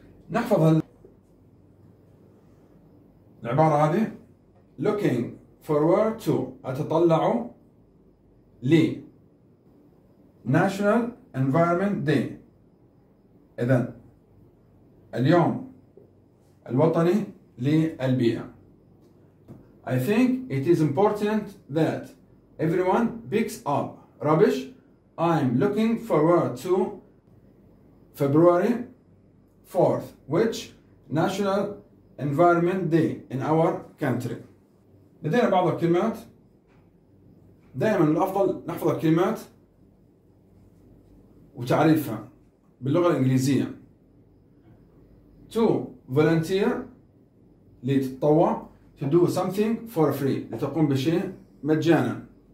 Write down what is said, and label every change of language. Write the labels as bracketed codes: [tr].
[ar] نحفظ العبارة هذه [en] looking forward to، [ar] أتطلع ل [en] National Environment Day، [ar] إذا اليوم الوطني للبيئة. [en] I think it is important that everyone picks up rubbish. I'm looking forward to February 4th, which National Environment Day in our country. [ar] لدينا بعض الكلمات، دائما الأفضل نحفظ الكلمات وتعريفها باللغة الإنجليزية. [en] To volunteer، [ar] لتتطوع. [en] To do something for free، [ar] لتقوم بشيء مجانا.